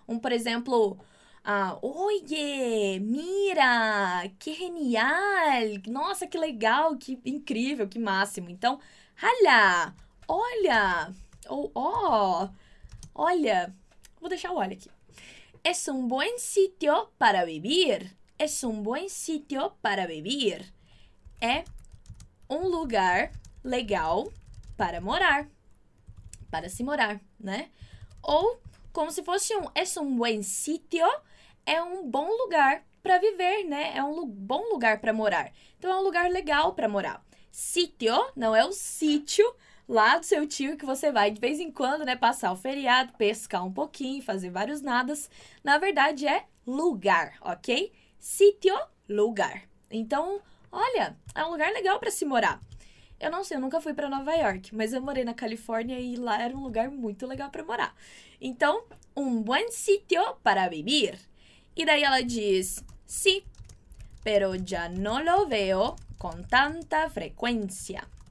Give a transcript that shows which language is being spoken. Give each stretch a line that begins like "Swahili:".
Portuguese: Por exemplo,
Spanish: oye, mira, que genial,
Portuguese: nossa, que legal, que incrível, que máximo. Então, olha, olha, ou ó, oh, olha, vou deixar o olha aqui.
Spanish: Es un buen sitio para vivir. Es un buen sitio para vivir.
Portuguese: é um lugar legal para morar, para se morar, né? Ou como se fosse um
Spanish: es un buen sitio,
Portuguese: é um bom lugar para viver, né? É um bom lugar para morar. Então é um lugar legal para morar. Sitio não é o sítio lá do seu tio que você vai de vez em quando, né, passar o feriado, pescar um pouquinho, fazer vários nadas. Na verdade é lugar, ok? Sitio, lugar. Então, olha, é um lugar legal para se morar. Eu não sei, eu nunca fui para Nova York, mas eu morei na Califórnia e lá era um lugar muito legal para morar.
Spanish: Então, un buen sitio para vivir.
Portuguese: E daí ela diz,
Spanish: sí, pero ya no lo veo con tanta frecuencia.